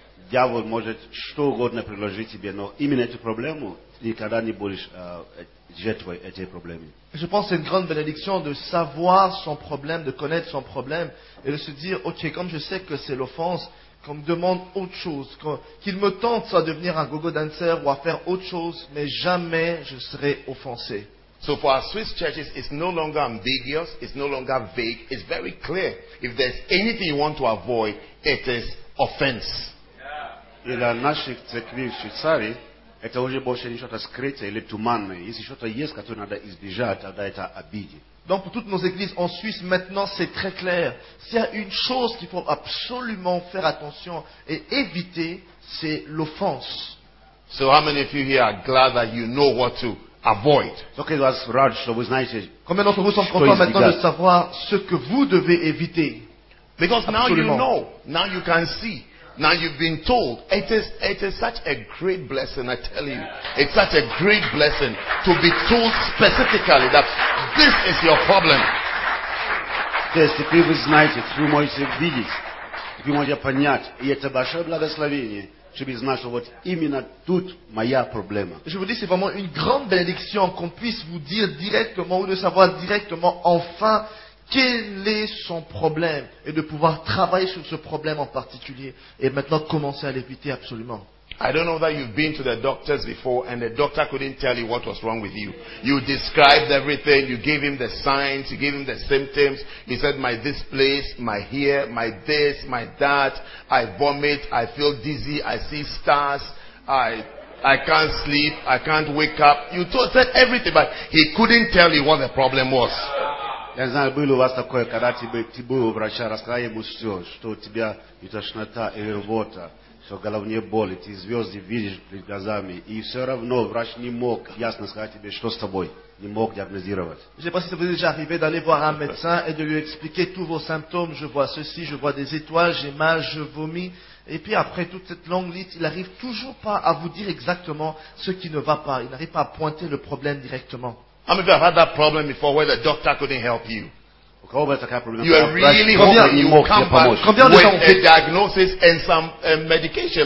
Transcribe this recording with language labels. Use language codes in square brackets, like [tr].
[ru] Дьявол может что угодно предложить тебе, но именно эту проблему никогда не будешь жертвой этой проблемы. [fr] Je pense que c'est une grande bénédiction de savoir son problème, de connaître son problème et de se dire, ok, comme je sais que c'est l'offense, qu'on me demande autre chose, qu'il me tente soit devenir un go-go dancer ou à faire autre chose, mais jamais je serai offensé. [en] So for our Swiss churches, it's no longer ambiguous, it's no longer vague, it's very clear. If there's anything you want to avoid, it is offense. [ru] И для наших церквей в Швейцарии это уже больше не что-то скрытое или туманное. Если что-то есть, которое надо избежать, тогда это обиде. [fr] Donc pour toutes nos églises en Suisse maintenant, c'est très clair. S'il y a une chose qu'il faut absolument faire attention et éviter, c'est l'offense. [en] So how many of you here are glad that you know what to avoid? Okay, that's rad, so we know it. [fr] Combien d'entre vous sont contents maintenant de savoir ce que vous devez éviter? [en] Because now you know. Now you can see. Now you've been told. It is such a great blessing, I tell you. It's such a great blessing to be told specifically that this is your problem. Yes, the previous night, through Moise Vigis, you might have [ru] понять, и это большое благословение. [fr] Je vous dis, c'est vraiment une grande bénédiction qu'on puisse vous dire directement ou de savoir directement enfin quel est son problème et de pouvoir travailler sur ce problème en particulier et maintenant commencer à l'éviter absolument. [en] I don't know that you've been to the doctors before and the doctor couldn't tell you what was wrong with you. You described everything. You gave him the signs. You gave him the symptoms. He said, my this place, my here, my this, my that. I vomit. I feel dizzy. I see stars. I can't sleep. I can't wake up. You said everything, but he couldn't tell you what the problem was. [ru] Что в головне болит, и звезды видишь перед глазами, и все равно врач не мог ясно сказать тебе, что с тобой, не мог диагнозировать. [fr] Je pense que vous êtes déjà arrivé d'aller voir un médecin et de lui expliquer tous vos symptômes. Je vois ceci, je vois des étoiles, j'ai mal, je vomis. Et puis après toute cette longue liste, il n'arrive toujours pas à vous dire exactement ce qui ne va pas. Il n'arrive pas à pointer le problème directement. [en] How many of you have had that problem before where the doctor couldn't help you? You are really hoping you come back with a diagnosis and some medication.